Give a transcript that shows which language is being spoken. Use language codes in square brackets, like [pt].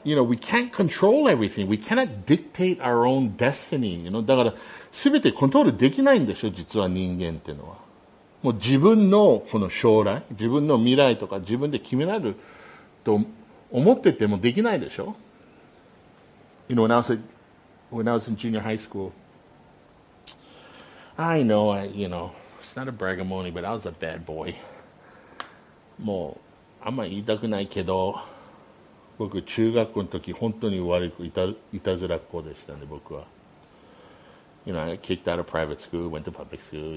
[en] you know, we can't control everything. We cannot dictate our own destiny. You know, [ja] だから全てコントロールできないんでしょ、実は人間ってのは。もう自分のこの将来、自分の未来とか自分で決めると思っててもできないでしょ。 [en] You know, when I was in junior high school, it's not a brag-a-mony, but I was a bad boy. [ja] もう、あんま言いたくないけど、僕中学校の時本当に悪くいたずらっ子でしたね、僕は。 [en] You know, I kicked out of private school, went to public school.